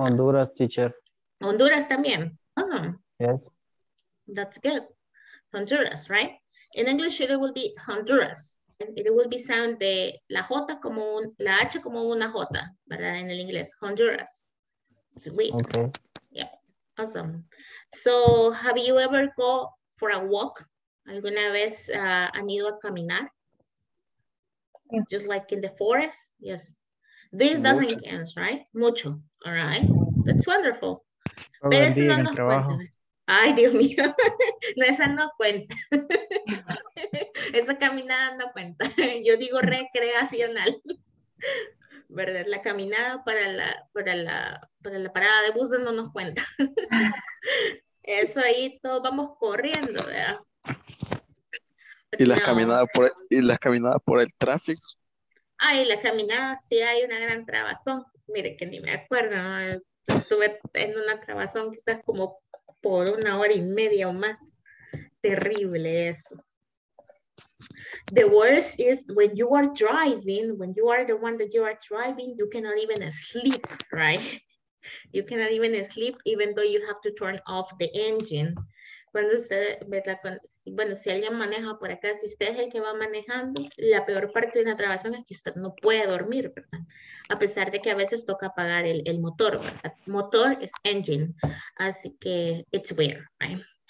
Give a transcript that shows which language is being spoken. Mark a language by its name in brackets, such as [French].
[English] Honduras, teacher. [Spanish] Honduras también. Awesome. [English] Yes. That's good. Honduras, right? In English, it will be Honduras. It will be sound [Spanish] de la J como un, la H como una J, ¿verdad? En el inglés, Honduras. Sweet. [English] Okay. Yeah, awesome. So, have you ever go for a walk? [Spanish] ¿Alguna vez han ido a caminar? Yes. [English] Just like in the forest? Yes. This doesn't count, right? Mucho. All right. That's wonderful. [Spanish] Pero eso no nos cuenta. Ay, Dios mío. No, esa no cuenta. Esa caminada no cuenta. Yo digo recreacional. ¿Verdad? La caminada para la parada de buses no nos cuenta. Eso ahí todos vamos corriendo, ¿verdad? ¿Y las caminadas por el tráfico? Ay, la caminada sí hay una gran trabazón. Mire que ni me acuerdo, ¿no? Estuve en una trabazón quizás como por una hora y media o más. Terrible eso. [English] The worst is when you are driving, when you are the one that you are driving, you cannot even sleep, right? You cannot even sleep even though you have to turn off the engine. [Spanish] Cuando usted, bueno, si alguien maneja por acá, si usted es el que va manejando, la peor parte de la trabación es que usted no puede dormir, ¿verdad? A pesar de que a veces toca apagar el motor, ¿verdad? Motor es engine, así que [English] it's weird, [Spanish] right?